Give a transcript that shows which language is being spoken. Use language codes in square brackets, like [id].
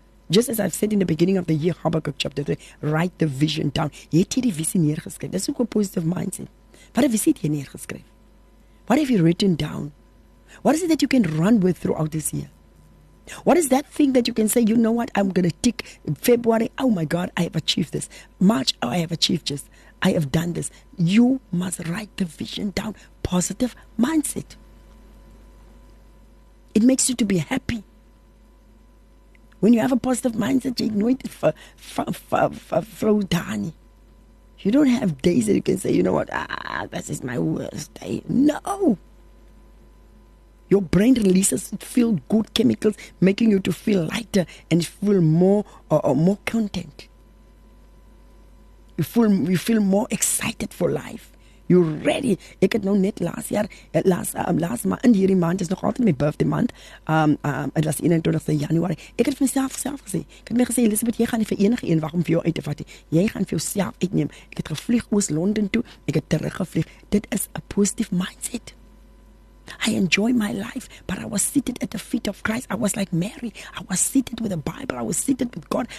[en] Just as I've said in the beginning of the year, Habakkuk chapter 3, write the vision down. [af] Jy het hierdie visie neergeskryf. Dis ook 'n positive mindset. Wat het jy hier neergeskryf? [en] What have you written down? What is it that you can run with throughout this year? What is that thing that you can say, you know what, I'm going to tick February. Oh my God, I have achieved this. March, oh, I have achieved this. I have done this. You must write the vision down. Positive mindset. It makes you to be happy. When you have a positive mindset, you know it flow down. You don't have days that you can say, you know what, this is my worst day. No. Your brain releases feel good chemicals, making you to feel lighter and feel more content. You feel more excited for life. You're ready. [af] Ek het nou net [en] last year, last [af] maand, hierdie maand is nog altyd my birthday month. Dit was 21 January. Ek het myself gesê, ek het my gesê, Elizabeth, jy gaan nie vir enige een wag om vir jou uit te vat. Jy gaan vir jouself uitneem. Ek het gevlieg oos Londen toe, ek het teruggevlieg. Dit is [en] a positive mindset. I enjoy my life, but I was seated at the feet of Christ. I was like Mary. I was seated with the Bible. I was seated with God.